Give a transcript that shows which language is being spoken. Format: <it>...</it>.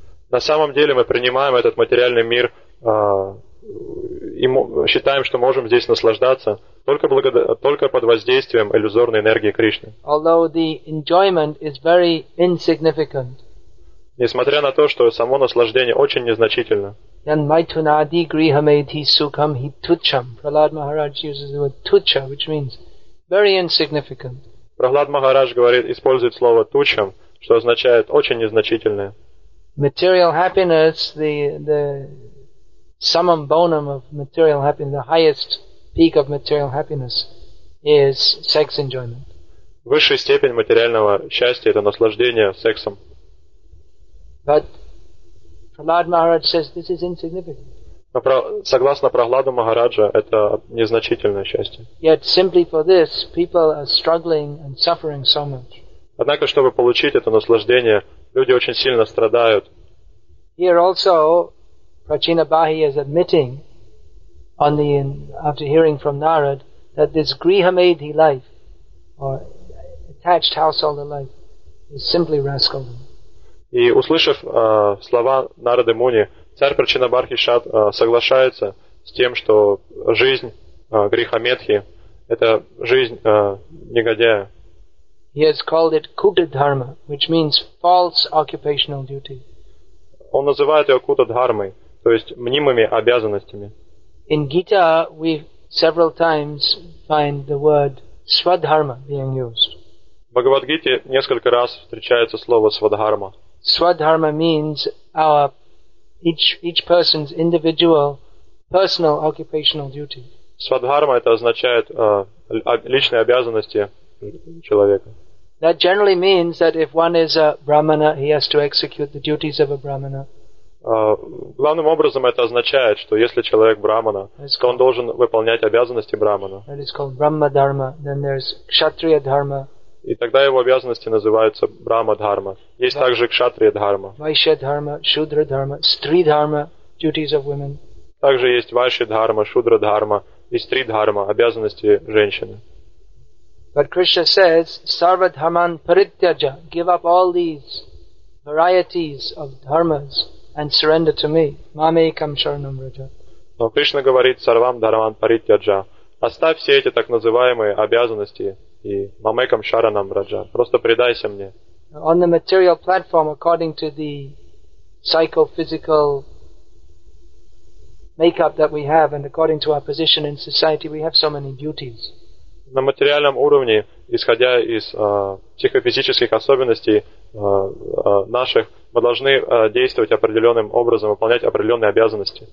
<ru>На самом деле мы принимаем этот материальный мир и считаем, что можем здесь наслаждаться только под воздействием иллюзорной энергии Кришны.</ru> <en>Although the enjoyment is very insignificant.</en> <ru>Несмотря на то, что само наслаждение очень незначительно.</ru> <sa>Then maitunadi grihamedhi sukham hi tucham.</sa> <en>Prahlad Maharaj uses the word tucha, which means very insignificant.</en> <ru>Prahlad Maharaj использует слово tucham, что означает очень незначительное.</ru> <en>Material happiness, the summum bonum of material happiness, the highest peak of material happiness is sex enjoyment.</en> <ru>Высшая степень материального счастья — это наслаждение сексом.</ru> <en>But Prahlad Maharaj says this is insignificant.</en> <ru>Согласно Прахладу Махараджа, это незначительное счастье.</ru> <en>Yet simply for this, people are struggling and suffering so much.</en> <ru>Однако, чтобы получить это наслаждение, люди очень сильно страдают.</ru> <en>Here also, Prachina Bahi is admitting, after hearing from Narad, that this grihamedhi life, or attached household life, is simply rascally.</en> <ru>И услышав слова Нарады Муни, царь Прачина Бархишат соглашается с тем, что жизнь грихамедхи — это жизнь негодяя.</ru> <en>He has called it kuta-dharma, which means false occupational duty.</en> <ru>Он называет ее кута-дхармой, то есть мнимыми обязанностями.</ru> <en>In Gita we several times find the word svadharma being used.</en> <ru>В Бхагавад-гите несколько раз встречается слово свадхарма.</ru> <en>Swadharma means each person's individual personal occupational duty.</en> <ru>Свадхарма — это означает личные обязанности человека.</ru> <en>That generally means that if one is a brahmana, he has to execute the duties of a brahmana.</en> <ru>Главным образом это означает, что если человек брахмана, то он должен выполнять обязанности брахмана.</ru> <en>That is called brahma dharma. Then there's kshatriya dharma.</en> <ru>И тогда его обязанности называются брахма-дхарма. Есть также кшатрия-дхарма. Вайшья-дхарма, шудра-дхарма, стри-дхарма,</ru> <en>duties of women.</en> <ru>Также есть вайшья-дхарма, шудра-дхарма и стри-дхарма, обязанности женщины.</ru> <en>But Krishna says,</en> <sa>sarva-dharman parityaja,</sa> <en>give up all these varieties of dharmas and surrender to me.</en> <sa>Mamekam sharanam raja.</sa> <ru>Но Кришна говорит,</ru> <sa>sarvam-dharman parityaja,</sa> <ru>оставь все эти так называемые обязанности и</ru> <sa>мамекам шаранам раджа.</sa> <ru>Просто предайся мне.</ru> <en>On the material platform, according to the psychophysical makeup that we have, and according to our position in society, we have so many duties.</en> <ru>На материальном уровне, исходя из психофизических особенностей наших, мы должны действовать определенным образом, выполнять определенные обязанности.</ru>